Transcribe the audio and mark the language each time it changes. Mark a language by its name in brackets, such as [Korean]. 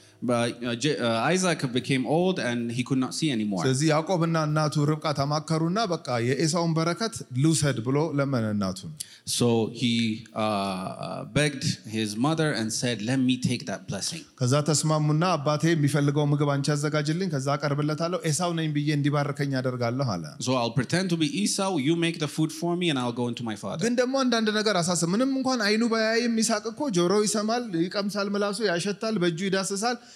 [English] But Isaac became old and he could not see anymore. [Amharic] ስለዚህ ያዕቆብና እናቱ ርብቃ ተማከሩና በቃ የኤሳውን በረከት ልውሰድ ብሎ ለመነ እናቱ። [English] So he begged his mother and said, "Let me take that blessing." [Amharic] ከዛ ተስማሙና አባቴ የሚፈልገው ምግብ አንቺ አዘጋጅልኝ ከዛ አቀርብለታለሁ ኤሳው ነኝ ብዬ እንዲባርከኝ አደርጋለሁ አለ። [English] So I'll pretend to be Esau, you make the food for me and I'll go into my father. [Amharic] ግን ደሞ አንዳንድ ነገር አሳሰ ምንም እንኳን አይኑ ባያይም ይስሐቅ እኮ ጆሮ ይሰማል ይቀምሳል ምላሱ ያሸታል በእጁ ይዳሰሳል